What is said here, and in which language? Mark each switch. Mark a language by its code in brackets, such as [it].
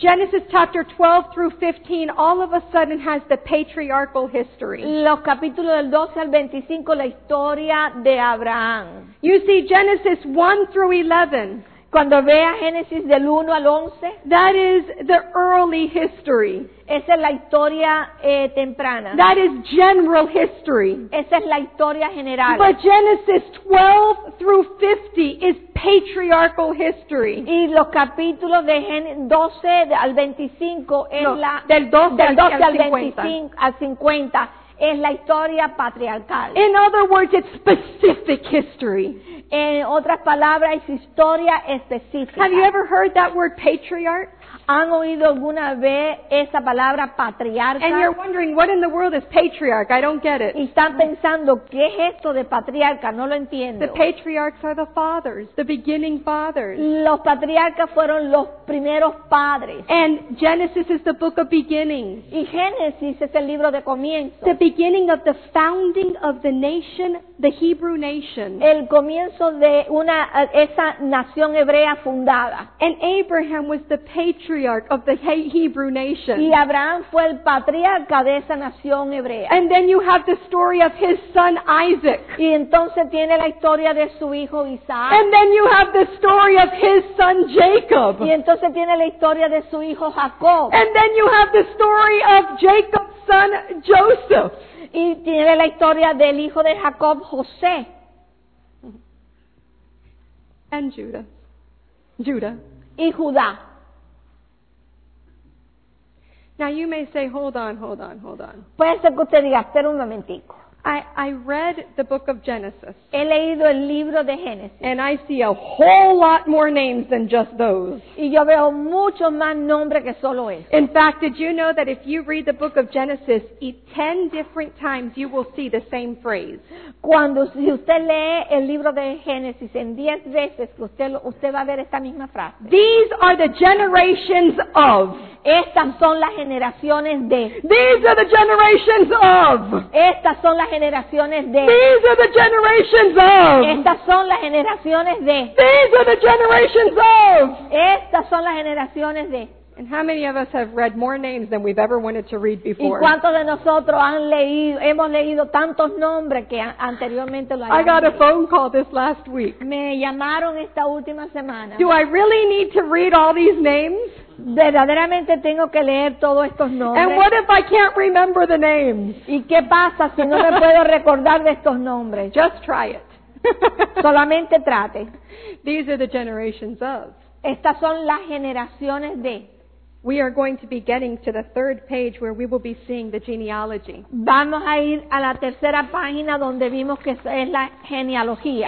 [en] Genesis chapter 12 through 15 all of a sudden has the patriarchal history. [es] Los capítulos del 12 al 25 la historia de Abraham. [en] You see Genesis 1 through 11. [es] Cuando vea Génesis del 1 al 11, [en] that is the early history. [es] Esa es la historia temprana. [en] That is general history. [es] Esa es la historia general. [en] But Genesis 12 through 50 is patriarchal history. [es] Y los capítulos de Génesis 12 al 25 es no, la del 12, del 12 al, al 25 al 50 es la historia patriarcal. [en] In other words, it's specific history. [es] En otras palabras, es historia específica. [en] Have you ever heard that word patriarch? [es] ¿Han oído alguna vez esa palabra patriarca? [en] And you're wondering, what in the world is patriarch? I don't get it. [es] Y están pensando, ¿qué es esto de patriarca? No lo entiendo. [en] The patriarchs are the fathers, the beginning fathers. [es] Los patriarcas fueron los primeros padres. [en] And Genesis is the book of beginnings. [es] Y Génesis es el libro de comienzo. [en] The beginning of the founding of the nation, the Hebrew nation. [es] El comienzo de una esa nación hebrea fundada. [en] And Abraham was the patriarch of the Hebrew nation. [es] Y Abraham fue el patriarca de esa nación hebrea. [en] And then you have the story of his son Isaac. [es] Y entonces tiene la historia de su hijo Isaac. [en] And then you have the story of his son Jacob. [es] Y entonces tiene la historia de su hijo Jacob. [en] And then you have the story of Jacob's son Joseph. [es] Y tiene la historia del hijo de Jacob, José. [en] And Judah. Judah. [es] Y Judá. [en] Now you may say, hold on, hold on, hold on. [es] Puede ser que usted diga, espera un momentico. [en] I read the book of Genesis. [es] He leído el libro de Génesis. [en] And I see a whole lot more names than just those. [es] Y yo veo mucho más nombre que solo ese. [en] In fact, did you know that if you read the book of Genesis 10 different times, you will see the same phrase. [es] Cuando si usted lee el libro de Génesis en 10 veces, usted va a ver esta misma frase. [en] These are the generations of. [es] Estas son las generaciones de. [en] These are the generations of. [es] Estas son las generaciones de. [en] These are the generations of. [es] Estas son las generaciones de. [en] These are the generations of. [es] Estas son las generaciones de. [en] And how many of us have read more names than we've ever wanted to read before? [es] ¿Y cuántos de nosotros hemos leído tantos nombres que anteriormente lo hayamos? [en] I got a phone call this last week. [es] Me llamaron esta última semana. [en] Do I really need to read all these names? [es] Verdaderamente tengo que leer todos estos nombres. [en] And what if I can't remember the names? [es] ¿Y qué pasa si no me puedo recordar de estos nombres? [en] Just try it. [es] Solamente trate. [en] These are the generations of. [es] Estas son las generaciones de. [en] We are going to be getting to the third page where we will be seeing the genealogy. [es] Vamos a ir a la tercera página donde vimos que es la genealogía.